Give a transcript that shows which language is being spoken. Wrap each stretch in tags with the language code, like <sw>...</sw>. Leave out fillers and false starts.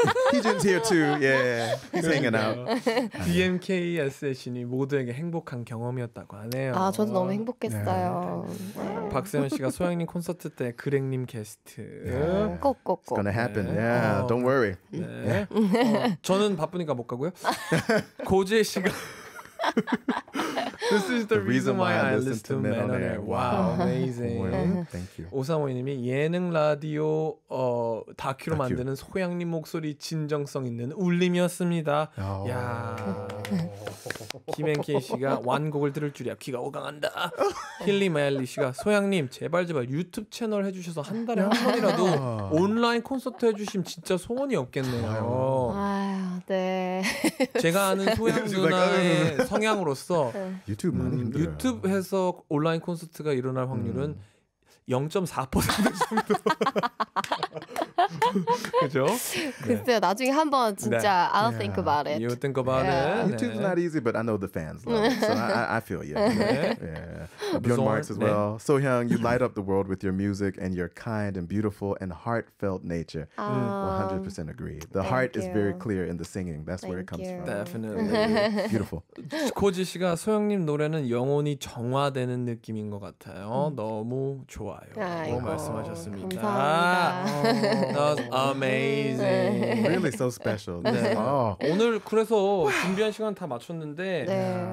<en>He's here too. Yeah. He's hanging out.</en> <ko>DMKSS님이 모두에게 행복한 경험이었다고 하네요. 아, 저도 너무 행복했어요. 박세현 씨가 소영님 콘서트 때 그렉님 게스트. 꼭꼭꼭.</ko> <en>It's gonna happen. Yeah. Don't worry.</en> <ko>저는 바쁘니까 못 가고요.</ko> <en>고재 씨가 This is the reason why I listen to Men on Air. Wow, amazing. Well, thank you.</en> <ko>오상호님이 예능 라디오 다큐로 만드는 소양님 목소리 진정성 있는 울림이었습니다. 야. 김앤케이 씨가 완곡을 들을 줄이야 귀가 오강한다. 힐리 마일리 씨가 소양님 제발 제발 유튜브 채널 해주셔서 한 달에 한 번이라도 온라인 콘서트 해주시면 진짜 소원이 없겠네요. 아유, 네. 제가 아는 소양 누나의 성향으로서 유튜브 많이 힘들어요. 유튜브 해서 온라인 콘서트가 일어날 확률은 0.4% 정도. 그죠? 글쎄요. 나중에 한번 진짜 네.</ko> <en>I'll think about it. You think about it. YouTube's 네. not easy, but I know the fans love it. So I feel you. 네. Björn Marx as well. 네. Sohyang, you light up the world with your music and your kind and beautiful and heartfelt nature. 100% agree. The heart is very clear in the singing. That's where it comes from. Definitely. Beautiful.</en> <ko>고지 씨가 소영님 노래는 영혼이 정화되는 느낌인 것 같아요. 너무 좋아요. 아이고, 말씀하셨습니다. 감사합니다.</ko> <en>That was amazing. Really so special. 네.</en> <ko>오늘 그래서 준비한 시간 다 마쳤는데 네.</ko>